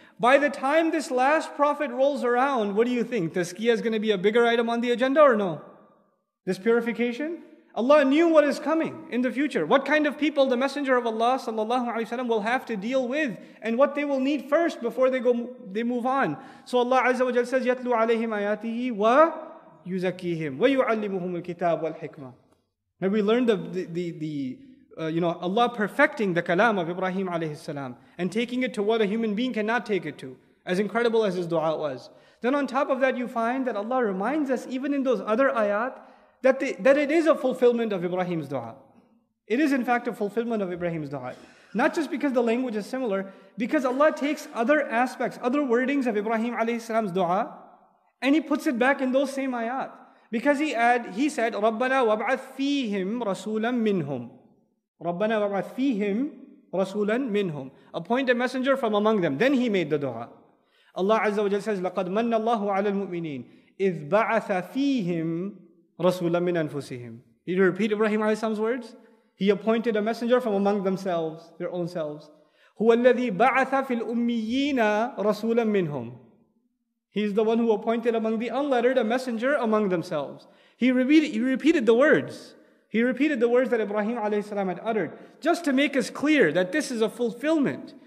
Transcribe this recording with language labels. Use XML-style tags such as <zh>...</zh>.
<en>By the time this last prophet rolls around, what do you think? Tazkiyah is going to be a bigger item on the agenda or no? This purification? Allah knew what is coming in the future. What kind of people the Messenger of Allah sallallahu alaihi wasallam will have to deal with, and what they will need first before they move on. So Allah Azza wa Jalla says,</en> <ar>يَتْلُوا عَلَيْهِمْ آيَاتِهِ وَيُزَكِّيهِمْ وَيُعَلِّمُهُمُ الْكِتَابُ وَالْحِكْمَةُ.</ar> <en>And we learned the Allah perfecting the kalam of Ibrahim alayhi salam and taking it to what a human being cannot take it to, as incredible as his dua was. Then on top of that, you find that Allah reminds us, even in those other ayat, that it is a fulfillment of Ibrahim's dua. It is in fact a fulfillment of Ibrahim's dua. Not just because the language is similar, because Allah takes other aspects, other wordings of Ibrahim alayhi salam's dua, and He puts it back in those same ayat. Because he said,</en> <ar>رَبَّنَا وَبْعَثْ فِيهِمْ رَسُولًا مِّنْهُمْ. رَبَّنَا وَبْعَثْ فِيهِمْ رَسُولًا مِّنْهُمْ.</ar> <en>Appoint a messenger from among them. Then he made the dua. Allah Azza wa Jalla says,</en> <ar>لَقَدْ مَنَّ اللَّهُ عَلَى الْمُؤْمِنِينَ إِذْ بَعَثَ فِيهِمْ رَسُولًا مِّنْ أَنفُسِهِمْ.</ar> <en>Did you repeat Ibrahim alayhi salam's words? He appointed a messenger from among themselves, their own selves.</en> <ar>هُوَ الَّذِي بَعَثَ فِي الْأُمِّيِّينَ رَسُولًا مِّنْهُمْ.</ar> <en>He's the one who appointed among the unlettered a messenger among themselves. He repeated the words that Ibrahim alayhi salam had uttered, just to make us clear that this is a fulfillment.</en>